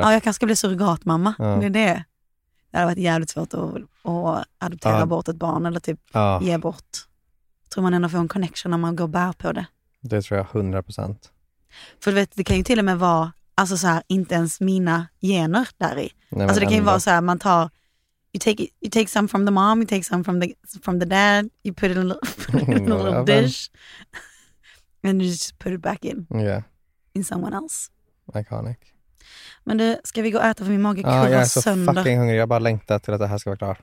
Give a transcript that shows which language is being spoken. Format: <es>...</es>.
<sv>Ja, jag kanske bli surrogatmamma. Ja. Det är det. Det hade varit jävligt svårt att adoptera bort ett barn eller typ ge bort. Tror man ändå får en connection när man går bär på det. Det tror jag 100%. För du vet, det kan ju till och med vara, alltså så här, inte ens mina gener där i. Nej, alltså det kan ju vara så här, man tar,</sv> <en>you take some from the mom, you take some from the dad, you put it in a little, little dish, and you just put it back in. Yeah. In someone else. Iconic.</en> <sv>Men du, ska vi gå och äta för min mage kurrar sönder? Ja, jag är så sönder. Fucking hungrig. Jag bara längtar till att det här ska vara klart.</sv>